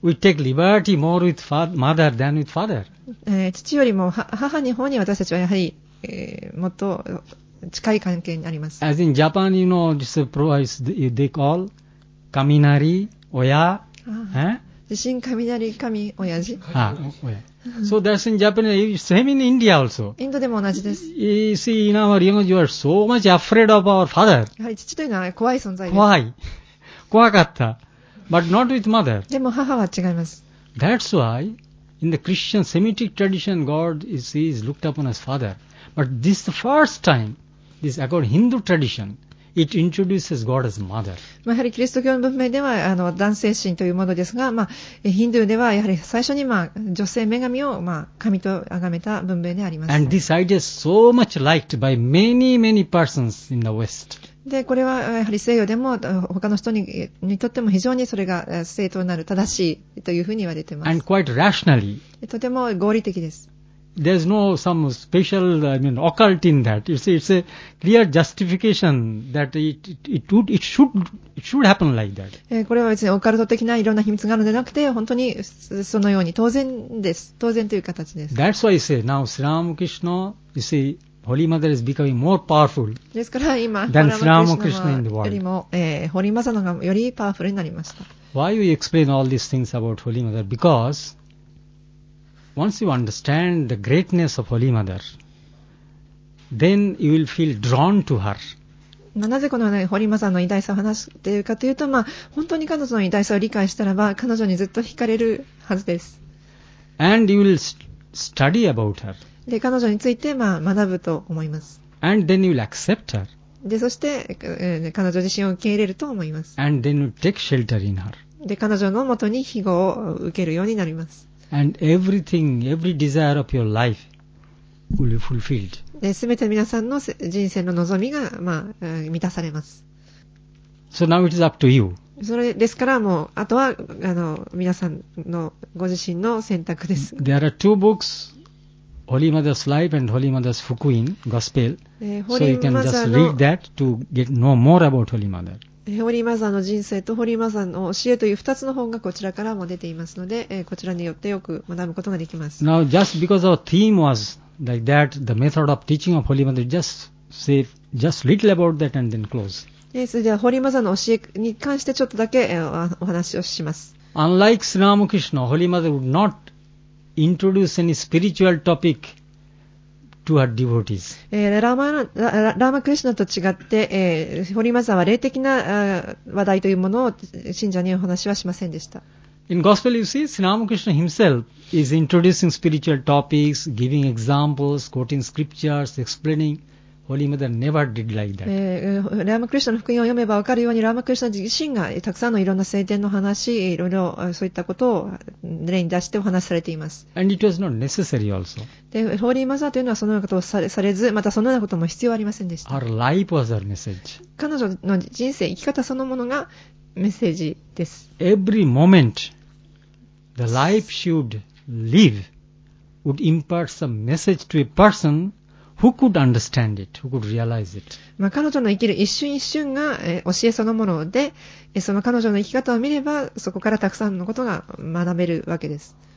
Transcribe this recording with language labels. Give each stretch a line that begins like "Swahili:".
English: We take liberty more with mother than with father.
Japanese: 父よりも母の方に私たちはやはり、もっと近い関係にあります。
English: As in Japan, you know, this is they call
Japanese: 雷親、地震雷神親父。
English: So that's in Japan. Same in India also.
Japanese: インドでも同じです。
English: You see, in our young age, we are so much afraid of our father.
Japanese: やはり父というのは怖い存在です。怖かった。
English: But not with mother.
Japanese: でも母は違います。
English: That's why in the Christian Semitic tradition, God is looked upon as father. But this is the first time, this according to Hindu tradition, it introduces God as mother.
Japanese: やはりキリスト教の文明では男性神というものですが、まあ、ヒンドゥーではやはり最初に、まあ、女性女神を、まあ、神と崇めた文明であります。
English: And this idea is so much liked by many, many persons in the West.
Japanese: でこれはやはり西洋でも他の人 にとっても非常にそれが正当なる正しいというふうに言われています。
English: And quite rationally.
Japanese: とても合理的です。
English: There's no some special, I mean, occult in that. It's a clear justification that it should happen like that.
Japanese: これは別にオカルト的ないろんな秘密があるのではなくて、本当にそのように当然です。当然という形です。
English: That's why I say now, Sri Ramakrishna, you see,Holy Mother is becoming more powerful than Sri Ramakrishna in the world.
Japanese: Holy Mother がよりパワフルになりました。
English: Why we explain all these things about Holy Mother? Because once you understand the greatness of Holy Mother, then you will feel drawn to her.
Japanese: なぜこのね、堀間さんの偉大さを話しているかというと、まあ、本当に彼女の偉大さを理解したらば、彼女にずっと惹かれるはずです。
English: And you will study about her.
Japanese: で彼女について、まあ、学ぶと思います。
English: And then you'll accept her.
Japanese: でそして、彼女自身を受け入れると思います。
English: And then you'll take shelter in her.
Japanese: で彼女のもとに庇護を受けるようになります。
English: And everything, every desire of your life will be fulfilled.
Japanese: で全て皆さんの人生の望みが、まあ、満たされます。
English: So now it is up to you.
Japanese: それですからもうあとは皆さんのご自身の選択です。
English: There are two books. Holy Mother's Life and Holy Mother's Fukuin Gospel. So you can just read that to get know more about Holy Mother.
Japanese: Holy Mother's 人生と Holy Mother's の教えという2つの本がこちらからも出ていますので、こちらによってよく学ぶことができます。
English: Now, just because our theme was like that, the method of teaching of Holy Mother, just little about that and then close.
Japanese: それでは Holy Mother's の教えに関してちょっとだけお話をします。
English: Unlike Sri Ramakrishna, Holy Mother would not introduce any spiritual topic to her devotees.
Japanese: ラーマクリシナと違って、ホリーマザーは霊的な話題というものを信者にお話はしませんでした。
English: In gospel, you see, Sri Ramakrishna himself is introducing spiritual topics, giving examples, quoting scriptures, explaining. Holy Mother never did like that.
Japanese: ラーマクリシナの福音を読めばわかるように、ラーマクリシナ自身がたくさんのいろんな聖典の話、いろいろそういったことを例に出してお話されています。
English: And it was not necessary also.
Japanese: で、ホーリーマザーというのはそのようなことをされず、またそのようなことも必要ありませんでした。
English: Her life was her message.
Japanese: 彼女の人生、生き方そのものがメッセージです。
English: Every moment the life should live would impart some message to a person who could understand it, who could realize it.
Japanese: 彼女の生きる一瞬一瞬が教えそのもので、その彼女の生き方を見れば、そこからたくさんのことが学べるわけです。